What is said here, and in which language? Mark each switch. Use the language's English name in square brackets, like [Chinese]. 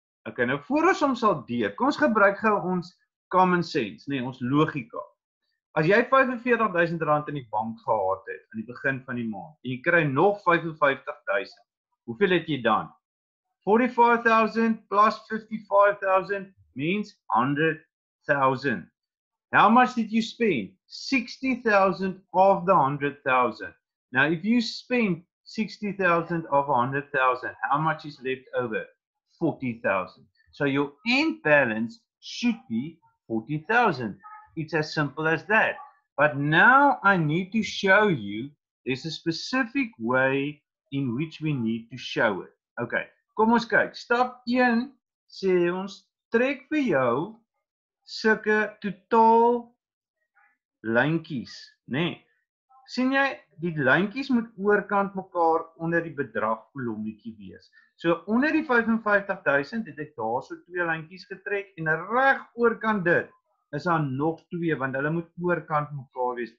[Afrikaans] Ok, nou voor ons om saldeer, kom ons gebruik gou ons common sense, nee, ons logika. As jy 45,000 rand in die bank gehad het, in die begin van die maand, en jy kry nog 55,000, hoeveel het jy dan? [English] 45,000 plus 55,000 means 100,000. How much did you spend? 60,000 of the 100,000. Now, if you spend 60,000 of 100,000, how much is left over? 40,000. So your end balance should be 40,000. It's as simple as that. But now I need to show you there's a specific way in which we need to show it. Okay. [Afrikaans] Kom ons kyk, stap 1 sê ons, trek vir jou sulke totaal lyntjies, nee. Sien jy, die lyntjies moet oorkant mekaar onder die bedrag kolommetjie wees. So onder die 55,000 het ek daar so twee lyntjies getrek en reg oorkant dit is daar nog twee, want hulle moet oorkant mekaar wees.